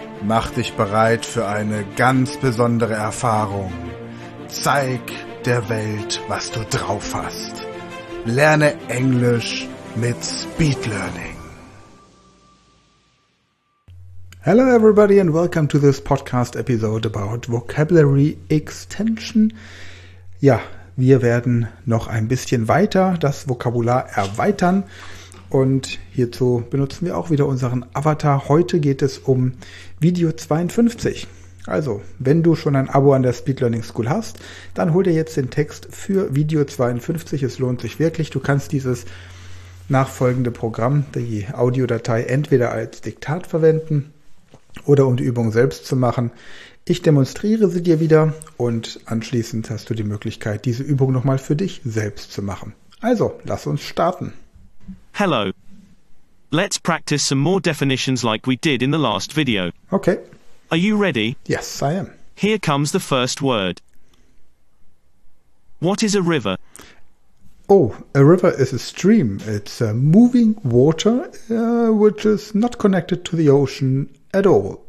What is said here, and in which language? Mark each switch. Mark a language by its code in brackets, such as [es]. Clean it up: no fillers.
[de] Mach dich bereit für eine ganz besondere Erfahrung. Zeig der Welt, was du drauf hast. Lerne Englisch mit Speed Learning. [en] Hello everybody and welcome to this podcast episode about Vocabulary Extension. [de] Ja, wir werden noch ein bisschen weiter das Vokabular erweitern. Und hierzu benutzen wir auch wieder unseren Avatar. Heute geht es um Video 52. Also, wenn du schon ein Abo an der Speed Learning School hast, dann hol dir jetzt den Text für Video 52. Es lohnt sich wirklich. Du kannst dieses nachfolgende Programm, die Audiodatei, entweder als Diktat verwenden oder um die Übung selbst zu machen. Ich demonstriere sie dir wieder und anschließend hast du die Möglichkeit, diese Übung nochmal für dich selbst zu machen. Also, lass uns starten. [en] Hello. Let's practice some more definitions like we did in the last video. Okay. Are you ready? Yes, I am. Here comes the first word. What is a river? Oh, a river is a stream. It's a moving water which is not connected to the ocean at all.